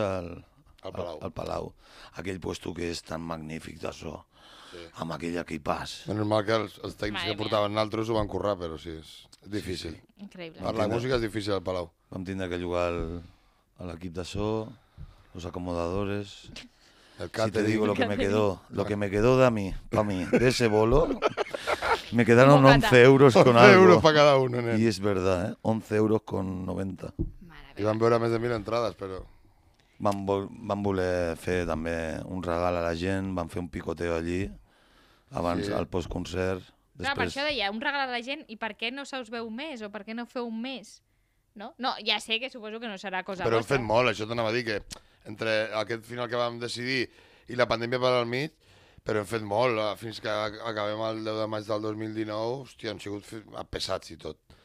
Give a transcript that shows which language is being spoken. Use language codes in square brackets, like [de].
[ca] al Palau. Aquell puesto que és tan magnífic de so, amb aquell equipàs. Menys mal que els temps que portaven altres ho van currar, però sí, és difícil. Sí, sí. Increïble. La música és difícil al Palau. Vam tindre que jugar a l'equip de so... [es] Los acomodadores. El si te digo lo que me quedó, lo que me quedó de mí, para mí, de ese bolo, me quedaron 11 euros con 11 algo. 11 euros para cada uno, nen. Y es verdad, ¿eh? 11 euros con 90. Y van a ver a más de 1000 entradas, pero... [ca] Van voler fer també un regal a la gent, van fer un picoteo allí, abans al postconcert. Després... Clar, per això deia, un regal a la gent, i per què no se us veu més, o per què no feu més? No, ja sé que suposo que no serà cosa però vostra. Però hem fet molt, això t'anava a dir, que entre aquest final que vam decidir i la pandèmia per al mig, però hem fet molt, fins que acabem el 10 de maig del 2019, hòstia, hem sigut pesats i tot.